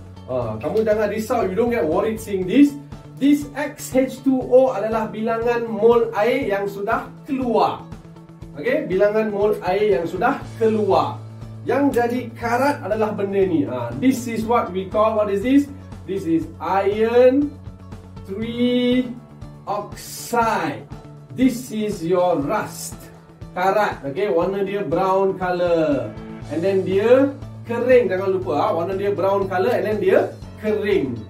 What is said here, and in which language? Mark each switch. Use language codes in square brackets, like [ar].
[en] Kamu jangan risau, you don't get worried seeing this. [ms] This XH2O adalah bilangan mol air yang sudah keluar. Okey, bilangan mol air yang sudah keluar. Yang jadi karat adalah benda ni. [en] This is what we call, what is this? This is iron 3 oxide. This is your rust. Karat, okey, warna dia brown color. [ms] And then dia kering, jangan lupa ah, warna dia brown color and then dia kering.